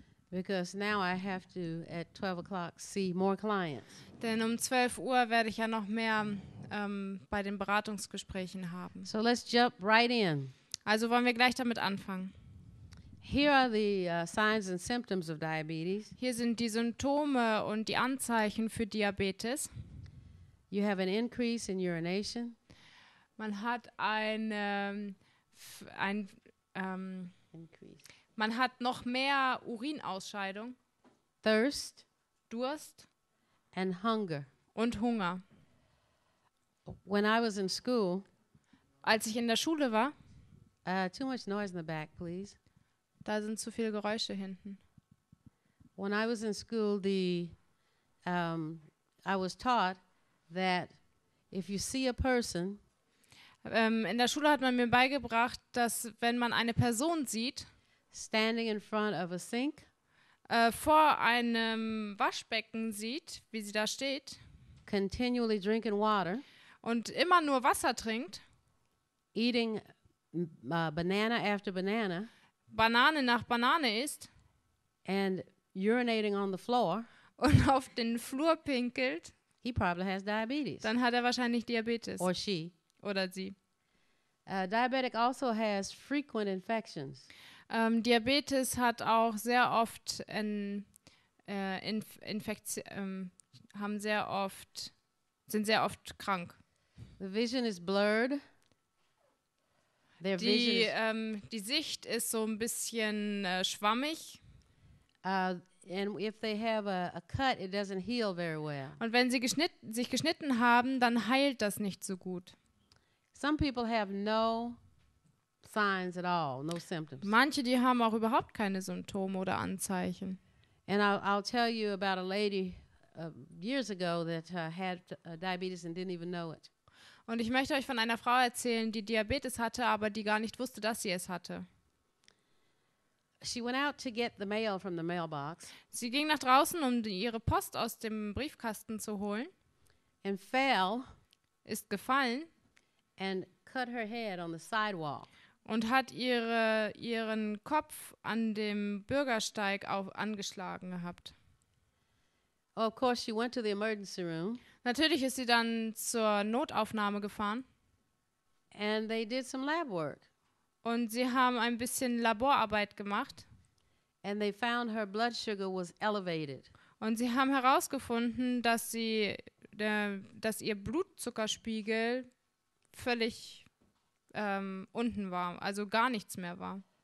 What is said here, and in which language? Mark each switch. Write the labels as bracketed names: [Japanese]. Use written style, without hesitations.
[English] Because now I have to at 12 o'clock see more clients. [German] Denn um 12 Uhr werde ich ja noch mehr bei den Beratungsgesprächen haben. [English] So let's jump right in. [German] Also wollen wir gleich damit anfangen. [English] Here are the signs and symptoms of diabetes. [German] Hier sind die Symptome und die Anzeichen für Diabetes. [English] You have an increase in urination. [German] Man hat man hat noch mehr Urinausscheidung. [English] Thirst. [German] Durst. [English] And hunger. [German] Und Hunger. [English] When I was in school. [German] Als ich in der Schule war. [English] Too much noise in the back, please. [German] Da sind zu viele Geräusche hinten. [English] When I was in school, I was taught that if you see a person. [German] In der Schule hat man mir beigebracht, dass wenn man eine Person sieht, [English] standing in front of a sink, [German] vor einem Waschbecken sieht, wie sie da steht, [English] continually drinking water, [German] und immer nur Wasser trinkt, [English] eating banana after banana, [German] Banane nach Banane isst, [English] and urinating on the floor, [German] und auf den Flur pinkelt, [English] he probably has diabetes. [German] Dann hat er wahrscheinlich Diabetes. [English] Or she. [German] Oder sie. [English] Diabetic also has frequent infections. [German] Diabetes hat auch sehr oft sind sehr oft krank. [English] The vision is blurred. [German] Die Sicht ist so ein bisschen schwammig. [English] And if they have a cut, it doesn't heal very well. [German] Und wenn sie sich geschnitten haben, dann heilt das nicht so gut. [English] Some people have no signs at all, no symptoms. [German] Manche, die haben auch überhaupt keine Symptome oder Anzeichen. [English] And I'll tell you about a lady years ago that had diabetes and didn't even know it. [German] Und ich möchte euch von einer Frau erzählen, die Diabetes hatte, aber die gar nicht wusste, dass sie es hatte. [English] She went out to get the mail from the mailbox. [German] Sie ging nach draußen, um ihre Post aus dem Briefkasten zu holen. [English] And fell. [German] Ist gefallen. [English] And cut her head on the sidewalk. [German] Und hat ihren Kopf an dem Bürgersteig angeschlagen gehabt. [English] Of course she went to the emergency room. [German] Natürlich ist sie dann zur Notaufnahme gefahren. [English] And they did some lab work. [German] Und sie haben ein bisschen Laborarbeit gemacht. [English] And they found her blood sugar was elevated. [German] Und sie haben herausgefunden, dass ihr Blutzuckerspiegel völlig unten war, also gar nichts mehr war.